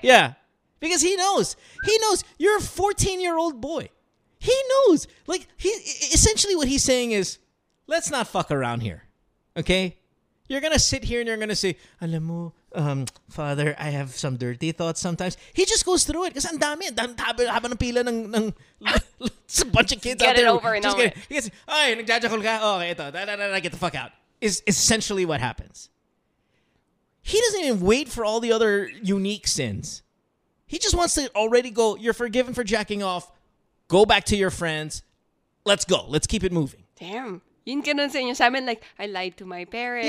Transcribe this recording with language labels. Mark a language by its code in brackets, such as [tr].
[en] Yeah. Because he knows. He knows you're a 14-year-old boy. He knows. Like, he essentially what he's saying is, let's not fuck around here. Okay? You're going to sit here and you're going to say, [tl] alam mo, [en] Father, I have some dirty thoughts sometimes. He just goes through it. [tl] Kasi ang dami. Ang dami haba ng pila ng [en] a bunch of kids get out there. Get it over and over. He gets, ay, [tl] nagjajakol ka? [en] Okay, ito. Get the fuck out. is essentially what happens. He doesn't even wait for all the other unique sins. He just wants to already go, you're forgiven for jacking off. Go back to your friends. Let's go. Let's keep it moving. Damn. [tl] Yun ganun sa inyo sa amin, [en] like, I lied to my parents.